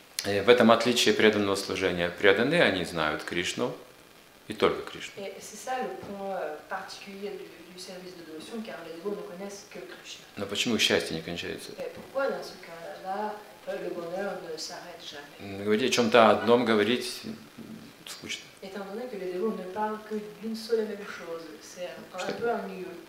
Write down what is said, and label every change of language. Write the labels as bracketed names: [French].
[Russian] И в этом отличие преданного служения. Преданные, они знают Кришну, [French] et [Russian] только Кришну. [French] Et c'est ça le point particulier du service de dévotion, car les dévots ne connaissent que Кришна. [Russian] Но почему счастье не кончается? [French] Et pourquoi dans ce cas-là le bonheur ne s'arrête jamais? [Russian] Говорить о чем-то одном говорить скучно. [French] Étant donné que les dévots ne parlent que d'une seule et même chose, c'est un peu ennuyeux.